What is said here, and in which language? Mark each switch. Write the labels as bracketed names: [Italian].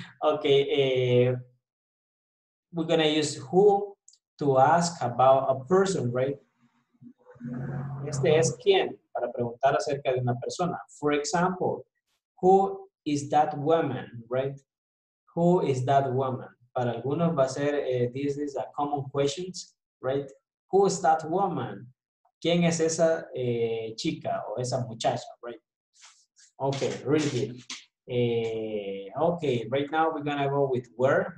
[English] Okay, we're gonna use who to ask about a person, right? [Spanish] Este es quién, para preguntar acerca de una persona. [English] For example, who is that woman, right? Who is that woman? [Spanish] Para algunos va a ser, [English] this is a common question, right? Who is that woman? [Spanish] ¿Quién es esa chica o esa muchacha, right? [English] Okay, really good. Okay, right now we're gonna go with where.